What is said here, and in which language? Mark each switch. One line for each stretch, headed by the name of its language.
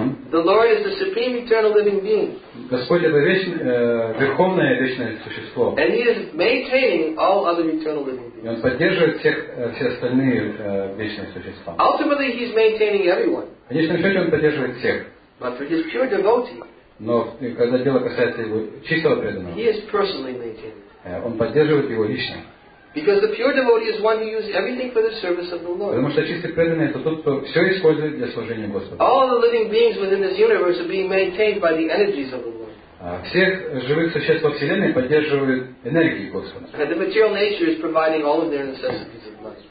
English: The Lord is the supreme eternal living being.
Russian: Господь это верховное вечное существо.
English: And He is maintaining all other eternal living beings.
Russian: И он поддерживает все остальные вечные существа.
English: Ultimately, He's maintaining everyone.
Russian: В конечном счете он поддерживает всех.
English: But for His pure devotee.
Russian: Но когда дело касается его чистого преданного.
English: He is personally maintaining.
Russian: Он поддерживает его лично.
English: Because the pure devotee is one who uses everything for the service of the Lord.
Russian: Потому что чистый преданный это тот, кто все использует для служения Господу.
English: All the living beings within this universe are being maintained by the energies of the Lord.
Russian: Всех живых существ во вселенной поддерживают энергии Господа.
English: And the material nature is providing all of their necessities of life.